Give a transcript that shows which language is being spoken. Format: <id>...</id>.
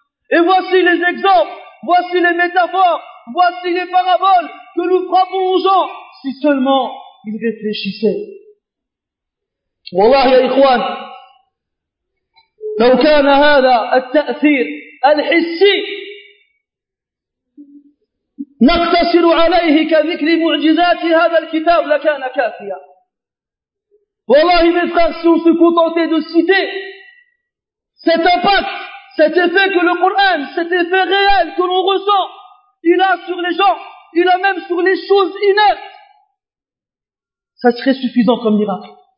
<fr>Et voici les exemples, voici les métaphores, voici les paraboles que nous frappons aux gens, si seulement ils réfléchissaient.</fr> <ar>Wallah ya ikhwan, لو كان هذا التأثير الحسي نقتصر عليه كذكر معجزات هذا الكتاب لكان كافيا.</ar> <fr>Wallah, mes frères, si on se contentait de citer cet impact, cet effet que le Coran, cet effet réel que l'on ressent, il a sur les gens, il a même sur les choses inertes, ça serait suffisant comme miracle.</fr>